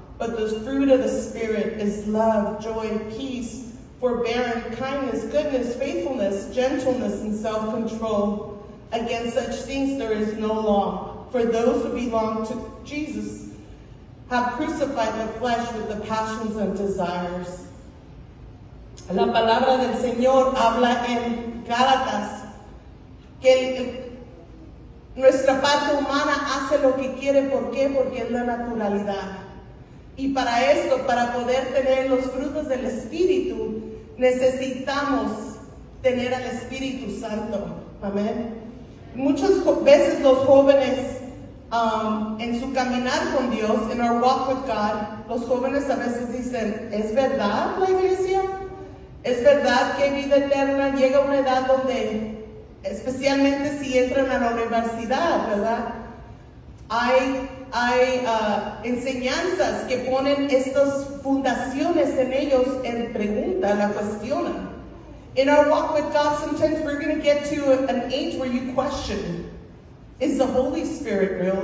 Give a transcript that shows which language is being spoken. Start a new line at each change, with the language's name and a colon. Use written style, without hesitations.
English: But the fruit of the Spirit is love, joy, peace, forbearance, kindness, goodness, faithfulness, gentleness, and self-control. Against such things there is no law. For those who belong to Jesus have crucified the flesh with the passions and desires."
Spanish: La palabra del Señor habla en Gálatas que nuestra parte humana hace lo que quiere. ¿Por qué? Porque es la naturalidad. Y para esto, para poder tener los frutos del Espíritu, necesitamos tener al Espíritu Santo. Amén. Muchas veces los jóvenes en su caminar con Dios,
English: in our walk with God,
Spanish: los jóvenes a veces dicen, ¿es verdad la iglesia? ¿Es verdad que vida eterna llega a una edad donde, especialmente si entran a la universidad, ¿verdad? Hay enseñanzas que ponen estas fundaciones en ellos en pregunta, la cuestionan.
English: In our walk with God, sometimes we're going to get to an age where you question, is the Holy Spirit real?